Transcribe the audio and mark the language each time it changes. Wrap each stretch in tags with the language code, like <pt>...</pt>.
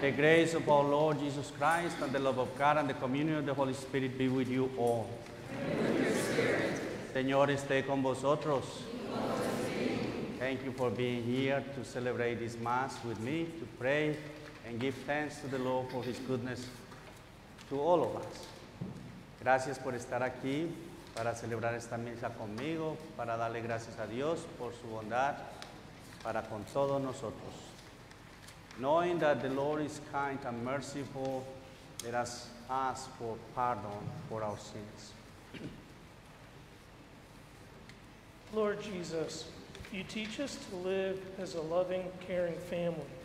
<en>The grace of our Lord Jesus Christ, and the love of God, and the communion of the Holy Spirit be with you all. And with your spirit.</en> <es>Señor, esté con vosotros. Y con tu espíritu. Que</es> <en>thank you for being here to celebrate this Mass with me, to pray and give thanks to the Lord for His goodness to all of us.</en> <es>Gracias por estar aquí para celebrar esta misa conmigo, para darle gracias a Dios por su bondad para con todos nosotros.</es> <en>Knowing that the Lord is kind and merciful, let us ask for pardon for our sins. Lord Jesus, you teach us to live as a loving, caring family.</en>